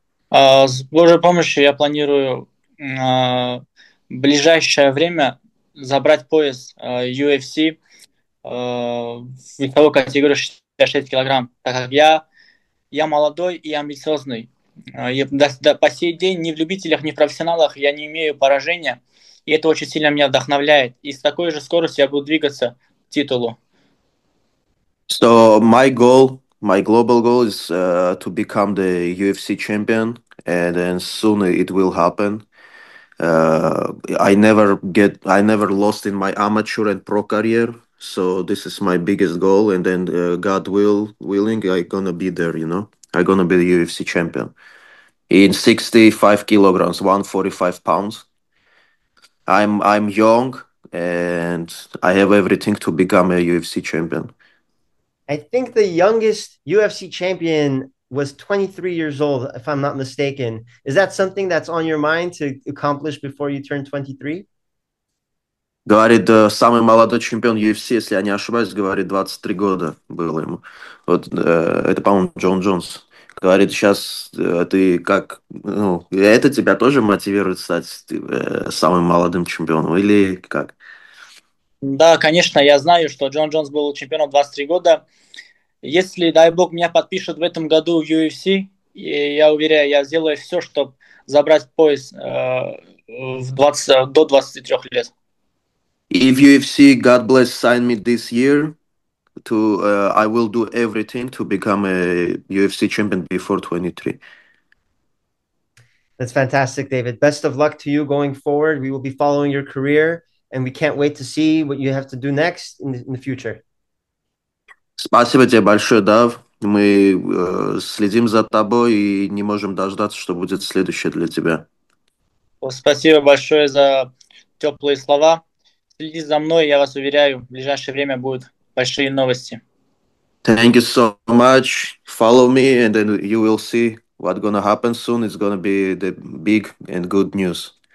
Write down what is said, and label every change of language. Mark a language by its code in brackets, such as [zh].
[ru] С Божьей помощью я планирую в ближайшее время забрать пояс UFC в весовой категории 66 килограмм, так как я молодой и амбициозный. По сей день ни в любителях, ни в профессионалах я не имею поражения, и это очень сильно меня вдохновляет. И с такой же скоростью я буду двигаться к титулу. [en] So my global goal is to become the UFC champion, and then soon it will happen. I never lost in my amateur and pro career, so this is my biggest goal. And then God willing, I'm gonna be there. You know, I'm gonna be the UFC champion in 65 kilograms, 145 pounds. I'm young, and I have everything to become a UFC champion. I think the youngest UFC champion was 23 years old, if I'm not mistaken. Is that something that's on your mind to accomplish before you turn 23? [ru] Говорит, самый молодой чемпион UFC, если я не ошибаюсь, говорит, 23 года было ему. Вот это, по-моему, Джон Джонс. Говорит, сейчас ты как, ну, это тебя тоже мотивирует стать самым молодым чемпионом или как? Да, конечно, я знаю, что Джон Джонс был чемпионом 23 года. Если, дай бог, меня подпишут в этом году в UFC, и я уверяю, я сделаю все, чтобы забрать пояс до 23 лет. [en] If UFC, God bless, sign me this year, to I will do everything to become a UFC champion before 23. That's fantastic, David. Best of luck to you going forward. We will be following your career. And we can't wait to see what you have to do next in the future. [ru] Спасибо тебе большое, Дав. Мы следим за тобой и не можем дождаться, что будет следующее для тебя. Well, спасибо большое за теплые слова. Следите за мной, я вас уверяю, в ближайшее время будут большие новости. [en] Thank you so much. Follow me, and then you will see what's gonna happen soon. It's gonna be the big and good news.